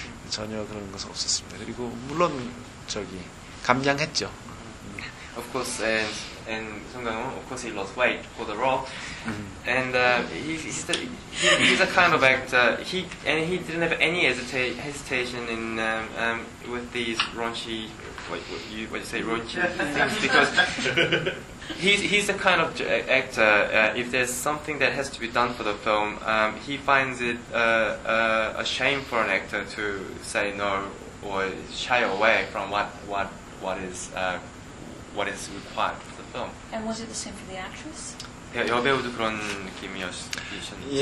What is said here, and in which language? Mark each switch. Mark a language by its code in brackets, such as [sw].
[ko] 전혀 그런 것은 없었습니다. 그리고 물론 저기 감량했죠. [en] Of course, and 송강호, of course, he lost weight for the role, and he's a kind of actor. He didn't have any hesitation in with these raunchy, raunchy things, because he's the kind of actor. If there's something that has to be done for the film, he finds it a shame for an actor to say no or shy away from what is required for the film. And was it the same for the actress? [ko] 여배우도 그런 느낌이었으셨는지.